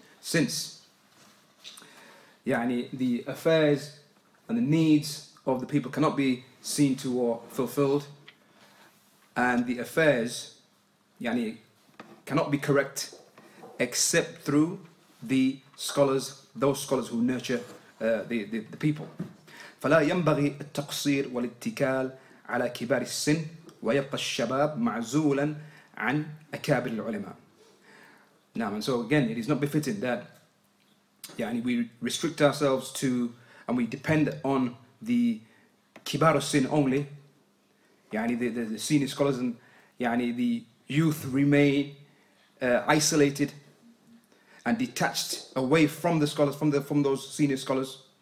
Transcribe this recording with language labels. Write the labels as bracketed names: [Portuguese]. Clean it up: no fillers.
[English] Since يعني, the affairs and the needs of the people cannot be seen to or fulfilled, and the affairs يعني, cannot be correct except through the scholars, those scholars who nurture the people. [Arabic] فلا ينبغي التقصير والاتكال على كبار السن ويبقى الشباب معزولا عن أكابر العلماء. [English] Now, and so again, it is not befitting that يعني, we restrict ourselves to and we depend on the كبار السن only, يعني, the senior scholars, and يعني, the youth remain isolated and detached away from the scholars, from those senior scholars.